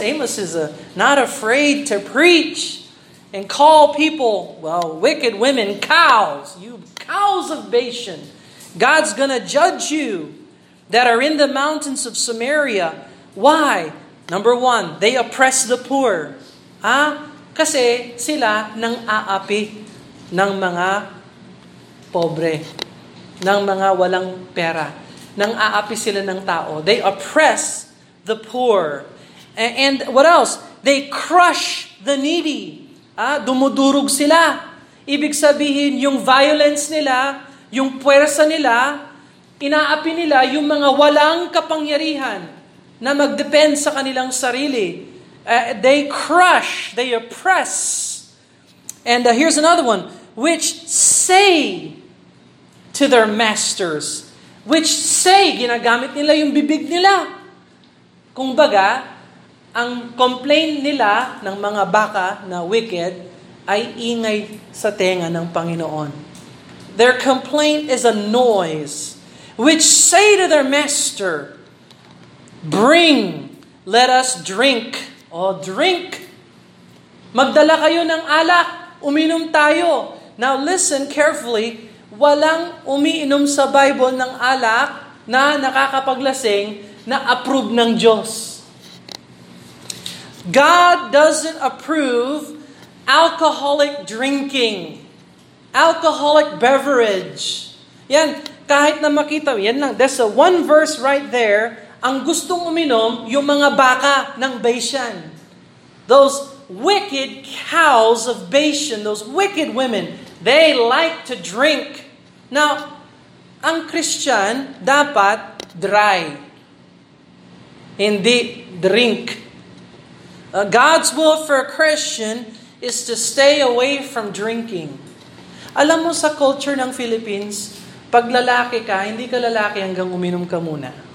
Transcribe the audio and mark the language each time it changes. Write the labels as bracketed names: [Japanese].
[English] Amos is not afraid to preach and call people, well, wicked women, cows. You cows of Bashan. God's going to judge you that are in the mountains of Samaria. Why? Number one, they oppress the poor. [Filipino] Ah, kasi sila nang aapi ng mga pobre, ng mga walang pera. Nang aapi sila ng tao. [English] They oppress the poor. And what else? They crush the needy. [Filipino] Ah, dumudurog sila. Ibig sabihin, yung violence nila, yung puwersa nila, inaapi nila yung mga walang kapangyarihan na mag-depend sa kanilang sarili. [English] They crush, they oppress. And here's another one. Which say to their masters. Which say, [Filipino] ginagamit nila yung bibig nila. Kung baga, ang complaint nila ng mga baka na wicked ay ingay sa tenga ng Panginoon. [English] Their complaint is a noise, which say to their master, bring, let us drink. O, drink. [Filipino] Magdala kayo ng alak, uminom tayo. [English] Now listen carefully, [Filipino] walang umiinom sa Bible ng alak na nakakapaglasing na approve ng Diyos. [English] God doesn't approve alcoholic drinking. Alcoholic beverage. [Filipino] Yan, kahit na makita, yan lang. [English] There's a one verse right there. [Filipino] Ang gustong uminom, yung mga baka ng Bashan. [English] Those wicked cows of Bashan, those wicked women, they like to drink. [Filipino] Now, ang Christian dapat dry. Hindi [English] drink. God's will for a Christian is to stay away from drinking. [Filipino] Alam mo sa culture ng Philippines, pag lalaki ka, hindi ka lalaki hanggang uminom ka muna.